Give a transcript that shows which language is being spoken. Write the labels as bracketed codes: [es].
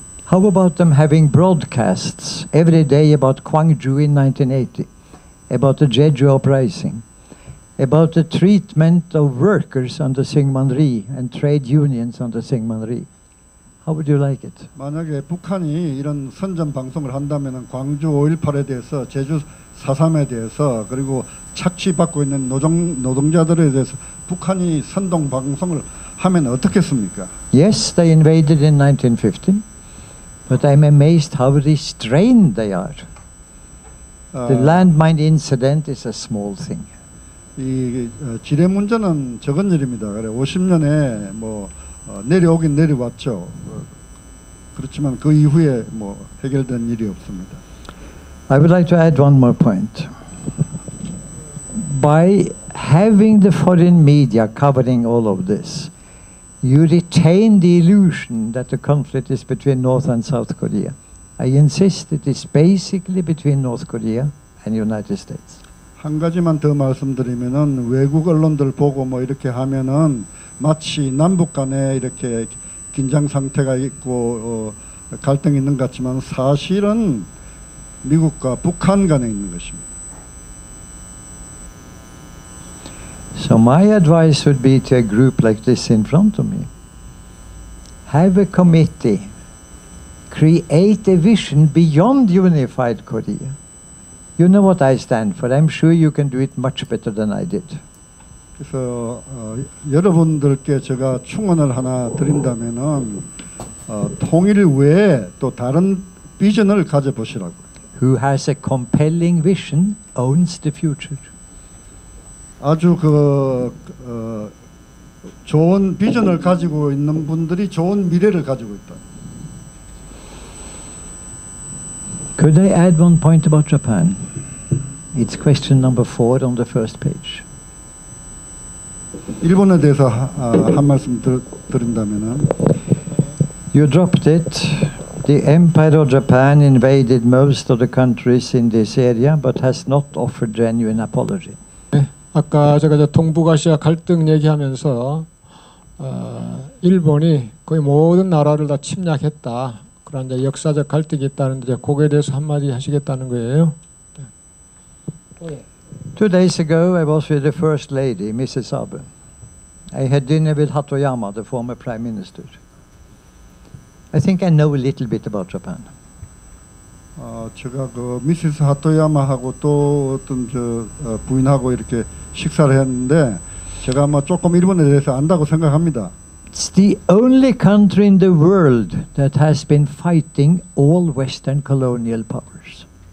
[en] How about them having broadcasts every day about Gwangju in 1980, about the Jeju uprising, about the treatment of workers under Syngman-rhee and trade unions under Syngman-rhee? How would you like it? [ko] 만약에 북한이 이런 선전 방송을 한다면 광주 5.18에 대해서, 제주 4.3에 대해서, 그리고 착취받고 있는 노동자들에 대해서 북한이 선동 방송을 하면 어떻겠습니까? [en] Yes, they invaded in 1915, but I'm amazed how restrained they are. The landmine incident is a small thing. [ko] 이 지뢰 문제는 적은 일입니다. 그래, 50년에 뭐 내려오긴 내려왔죠. 그렇지만 그 이후에 뭐 해결된 일이 없습니다. [en] I would like to add one more point. By having the foreign media covering all of this, you retain the illusion that the conflict is between North and South Korea. I insist it is basically between North Korea and United States. [ko] 한 가지만 더 말씀드리면은 외국 언론들 보고 뭐 이렇게 하면은 마치 남북 간에 이렇게 긴장 상태가 있고 갈등이 있는 것 같지만 사실은 미국과 북한 간에 있는 것입니다. [en] So my advice would be to a group like this in front of me. Have a committee. Create a vision beyond unified Korea. You know what I stand for. I'm sure you can do it much better than I did. [ko] 그래서 여러분들께 제가 충언을 하나 드린다면은 통일 외에 또 다른 비전을 가져보시라고. [en] Who has a compelling vision owns the future. [ko] 아주 그 좋은 비전을 가지고 있는 분들이 좋은 미래를 가지고 있다. [en] Could I add one point about Japan? It's question number 4 on the first page. [ko] 일본에 대해서 한 말씀 드린다면은 [en] You dropped it The Empire of Japan invaded most of the countries in this area, but has not offered genuine apology. [ko] 네, 아까 제가 이제 동북아시아 갈등 얘기하면서 일본이 거의 모든 나라를 다 침략했다. 그런 이제 역사적 갈등이 있다는데 이제 거기에 대해서 한마디 하시겠다는 거예요. [en] 2 days ago, I was with the First Lady, Mrs. Abe. I had dinner with Hatoyama, the former Prime Minister. I think I know a little bit about Japan. [ko] 제가 그 미시스 하토야마하고 또 어떤 저 부인하고 이렇게 식사를 했는데 제가 아마 조금 일본에 대해서 안다고 생각합니다. [en] It's the only country in the world that has been fighting all Western colonial powers.